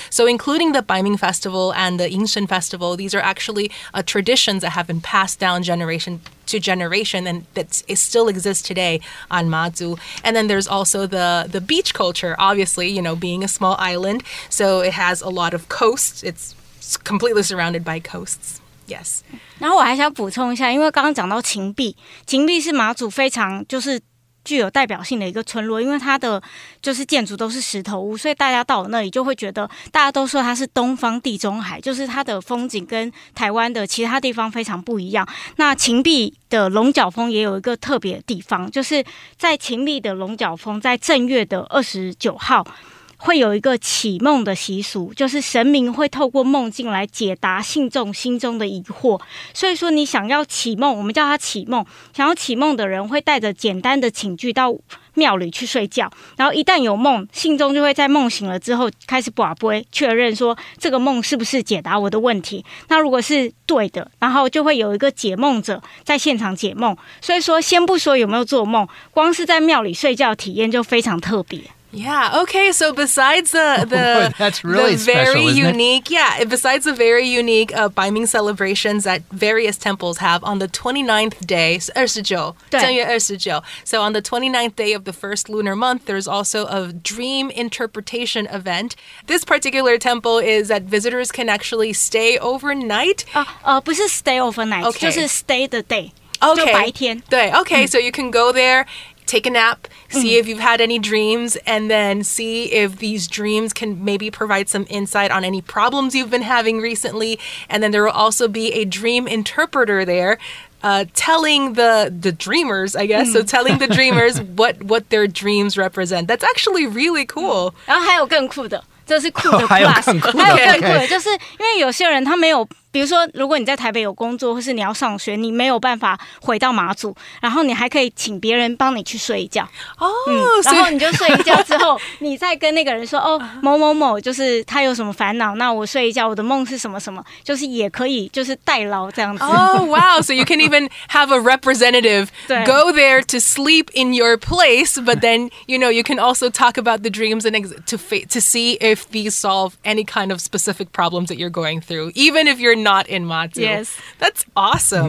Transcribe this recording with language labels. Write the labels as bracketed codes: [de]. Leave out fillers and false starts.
[en] So including the Baiming Festival and the Yingshen Festival, these are actually traditions that have been passed down generation to generation and that still exists today on Matsu. And then there's also the beach culture, obviously, you know, being a small island. So it has a lot of coasts. It's completely surrounded by coasts. Yes. [zh] 然后我还想补充一下，因为刚刚讲到擎壁，擎壁是马祖非常就是具有代表性的一个村落，因为它的就是建筑都是石头屋，所以大家到那里就会觉得，大家都说它是东方地中海，就是它的风景跟台湾的其他地方非常不一样。那擎壁的龙角峰也有一个特别的地方，就是在擎壁的龙角峰，在正月的29号会有一个启梦的习俗，就是神明会透过梦境来解答信众心中的疑惑。所以说你想要启梦，我们叫它启梦，想要启梦的人会带着简单的请具到庙里去睡觉，然后一旦有梦，信众就会在梦醒了之后开始卜龟，确认说这个梦是不是解答我的问题。那如果是对的，然后就会有一个解梦者在现场解梦。所以说先不说有没有做梦，光是在庙里睡觉体验就非常特别。 [en] Yeah, okay, so besides the, oh, that's really the very special, unique, Yeah, besides the very unique Baiming celebrations that various temples have on the 29th day, 29th, so on the 29th day of the first lunar month, there's also a dream interpretation event. This particular temple is that visitors can actually stay overnight. [zh] 不是 [en] stay overnight, okay. [zh] 就是 [en] stay the day, okay. [zh] 就白天。对, [en] okay, so you can go there, take a nap, see if you've had any dreams, and then see if these dreams can maybe provide some insight on any problems you've been having recently. And then there will also be a dream interpreter there, telling the dreamers, I guess, so telling the dreamers what their dreams represent. That's actually really cool. [zh] 然后还有更酷的，这是酷的 [en] plus， [zh] 还有更酷的，就是因为有些人他没有，比如说如果你在台北有工作或是你要上学，你没有办法回到马祖，然后你还可以请别人帮你去睡一觉。所以然后你就睡一觉之后你再跟那个人说，哦，某某某就是他有什么烦恼，那我睡一觉，我的梦是什么什么，就是也可以就是代劳这样子。 [en] Wow, so you can even have a representative go there to sleep in your place, but then, you know, you can also talk about the dreams and to see if these solve any kind of specific problems that you're going through, even if you're not in Matsu. Yes. That's awesome.